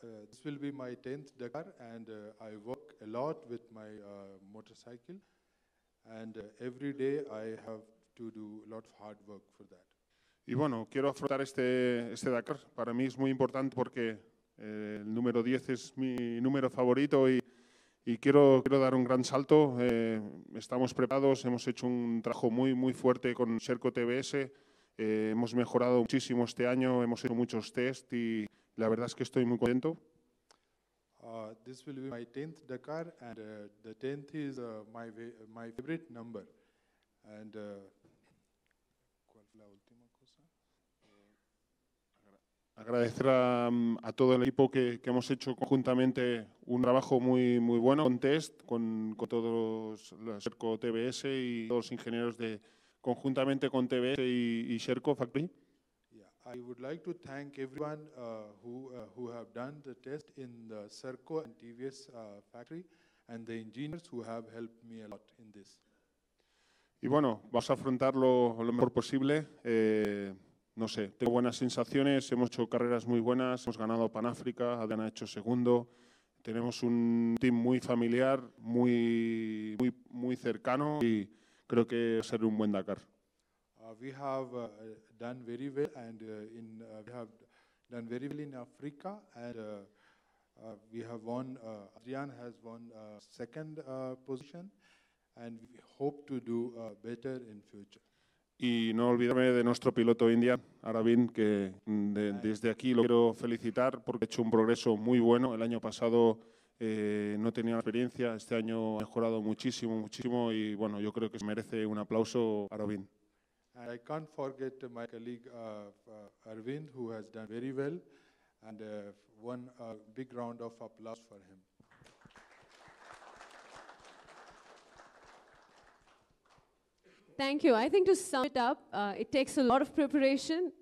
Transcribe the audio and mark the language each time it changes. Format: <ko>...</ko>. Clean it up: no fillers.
<en>This will be my 10th Dakar, and I work a lot with my motorcycle. And every day I have to do a lot of hard work for that.</en> <es>Y bueno, quiero afrontar este Dakar. Para mí es muy importante porque el número 10 es mi número favorito y quiero dar un gran salto. Estamos preparados, hemos hecho un trabajo muy, muy fuerte con Sherco TVS. Hemos mejorado muchísimo este año, hemos hecho muchos test y la verdad es que estoy muy contento.</es> <en>This will be my 10th Dakar, and the 10th is my favorite number.</en> <es>And ¿cuál fue la última cosa? Agradecer a todo el equipo que hemos hecho conjuntamente un trabajo muy, muy bueno con test, con todos los Sherco TVS y todos los ingenieros de conjuntamente con TVS y Sherco Factory.</es> <en>I would like to thank everyone who have done the test in the Sherco and TVS factory and the engineers who have helped me a lot in this.</en> <es>Y bueno, vamos a afrontarlo lo mejor posible. No sé, tengo buenas sensaciones, hemos hecho carreras muy buenas, hemos ganado Pan África, Adrián ha hecho segundo. Tenemos un team muy familiar, muy muy muy cercano y creo que va a ser un buen Dakar.</es> <en>We have done very well, and we have done very well in Africa, and we have won. Adrian has won second position, and we hope to do better in future.</en> <es>Y no olvidarme de nuestro piloto Indian Aravind, que desde aquí lo quiero felicitar porque ha hecho un progreso muy bueno. El año pasado no tenía experiencia, este año ha mejorado muchísimo, muchísimo, y bueno, yo creo que se merece un aplauso, Aravind.</es> <en>And I can't forget my colleague Arvind, who has done very well, and won a big round of applause for him. Thank you. I think to sum it up, it takes a lot of preparation.</en>